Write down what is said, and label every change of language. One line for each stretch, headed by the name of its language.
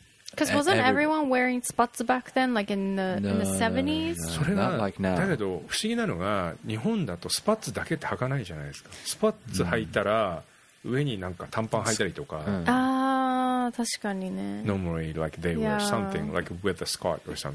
English: because wasn't everyone wearing spats back then like in the 70s?
Japanese: それが、like、だけど不思議なのが日本だとスパッツだけって履かないじゃないですかスパッツ履いたら、うん上になんか短パン履いたりとか、うん、あ確かにね
English: Normally like they wear something like with a skirt or something